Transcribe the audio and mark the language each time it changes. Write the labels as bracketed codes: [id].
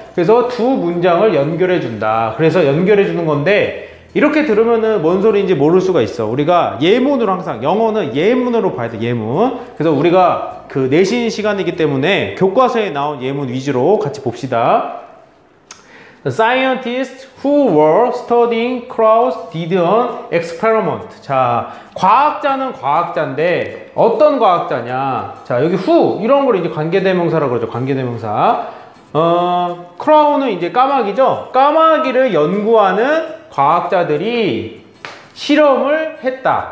[ko] 그래서 두 문장을 연결해준다. 그래서 연결해주는 건데, 이렇게 들으면은 뭔 소리인지 모를 수가 있어. 우리가 예문으로, 항상 영어는 예문으로 봐야 돼. 예문. 그래서 우리가 그 내신 시간이기 때문에 교과서에 나온 예문 위주로 같이 봅시다. [en] Scientists who were studying crows did an experiment. [ko] 자, 과학자는 과학자인데 어떤 과학자냐. 자, 여기 who 이런 걸 이제 관계대명사라고 그러죠. 관계대명사. 크라우는 이제 까마귀죠. 까마귀를 연구하는 과학자들이 실험을 했다.